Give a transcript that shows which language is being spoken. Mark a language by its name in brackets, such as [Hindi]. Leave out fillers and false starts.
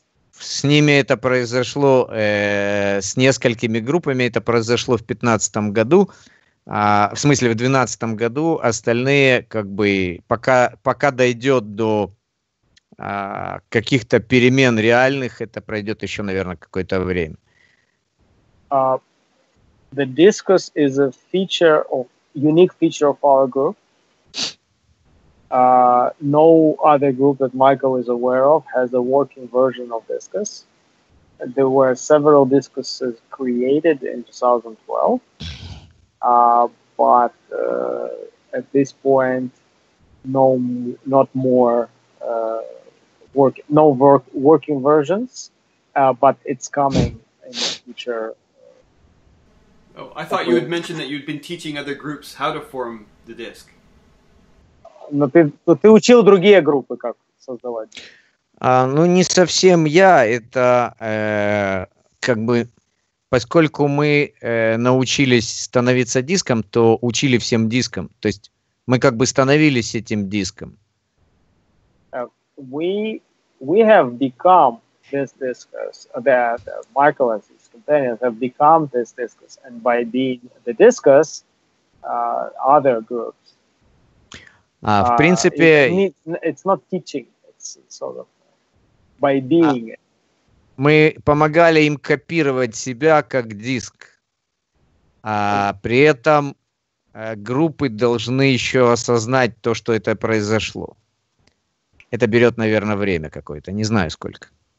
[Russian] С ними это произошло, с несколькими группами это произошло в 2015 году, в смысле в 2012 году. Остальные как бы пока дойдет до каких-то перемен реальных, это пройдет еще, наверное, какое-то время. [English] The discus is a feature of unique feature of our group. No other group that Michael is aware of has a working version of discus. There were several discuses created in 2012, but at this point, working versions, but it's coming in the future. Oh, I thought you had mentioned that you'd been teaching other groups how to form the disc. [Russian] Но ты учил другие группы, как создавать. Ну, не совсем я. Это как бы, поскольку мы научились становиться диском, то учили всем диском. То есть мы как бы становились этим диском. [English] We have become this discus that Michael and his companions have become this discus, and by being the discus, other groups. [Russian] В принципе, [English] it's not teaching, it's sort of by being. [Russian] Мы помогали им копировать себя как диск, при этом группы должны еще осознать то, что это произошло. Это берет, наверное, время какое-то, не знаю сколько.